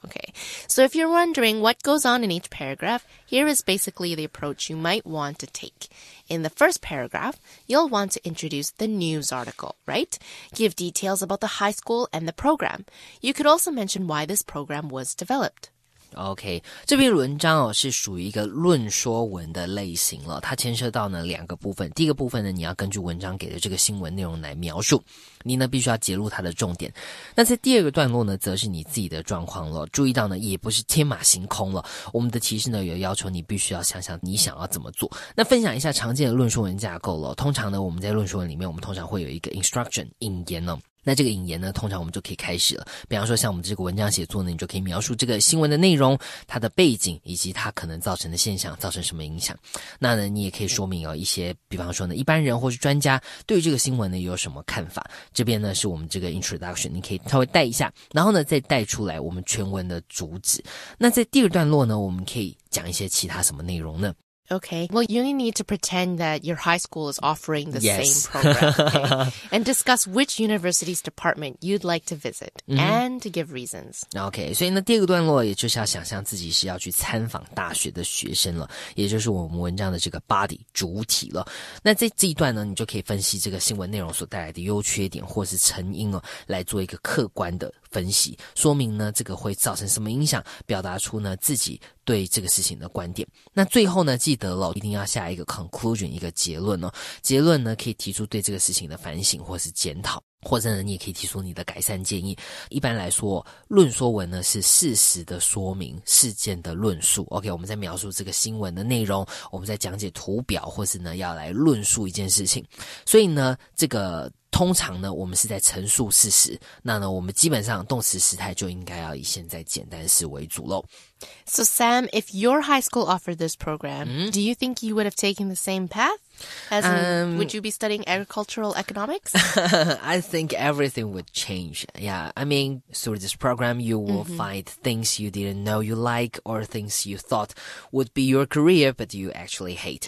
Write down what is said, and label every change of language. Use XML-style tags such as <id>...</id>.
<en>Okay, so if you're wondering what goes on in each paragraph, here is basically the approach you might want to take. In the first paragraph, you'll want to introduce the news article, right? Give details about the high school and the program. You could also mention why this program was developed.</en> <zh>OK, 这篇文章哦是属于一个论说文的类型了，它牵涉到呢两个部分。第一个部分呢，你要根据文章给的这个新闻内容来描述，你呢必须要揭露它的重点。那在第二个段落呢，则是你自己的状况了，注意到呢也不是天马行空了，我们的提示呢有要求你必须要想想你想要怎么做。那分享一下常见的论说文架构了，通常呢我们在论说文里面，我们通常会有一个 instruction 引言呢，那这个引言呢通常我们就可以开始了。比方说像我们这个文章写作呢，你就可以描述这个新闻的内容，它的背景以及它可能造成的现象，造成什么影响。那呢你也可以说明哦一些比方说呢一般人或是专家对于这个新闻呢有什么看法。这边呢是我们这个 introduction, 你可以稍微带一下，然后呢再带出来我们全文的主旨。那在第二段落呢我们可以讲一些其他什么内容呢？</zh> <en>Okay, well, you need to pretend that your high school is offering the yes. same program, okay? And discuss which university's department you'd like to visit, mm-hmm. and to give reasons.</en> <zh>Okay, 所以呢，第二个段落也就是要想象自己是要去参访大学的学生了，也就是我们文章的这个 body 主体了。那在这一段呢，你就可以分析这个新闻内容所带来的优缺点或是成因哦，来做一个客观的分析，说明呢这个会造成什么影响，表达出呢自己对这个事情的观点。那最后呢，记得了，一定要下一个 conclusion, 一个结论哦。结论呢，可以提出对这个事情的反省或是检讨，或者呢，你也可以提出你的改善建议。一般来说，论说文呢是事实的说明，事件的论述。 OK, 我们在描述这个新闻的内容，我们在讲解图表，或是呢要来论述一件事情。所以呢，这个通常呢，我们是在陈述事实。那呢，我们基本上动词时态就应该要以现在简单式为主喽。</zh> <en>So Sam, if your high school offered this program,、mm-hmm. do you think you would have taken the same path? As in, would you be studying agricultural economics? I think everything would change. Yeah, I mean, through this program, you will、mm-hmm. find things you didn't know you like or things you thought would be your career, but you actually hate.、</en>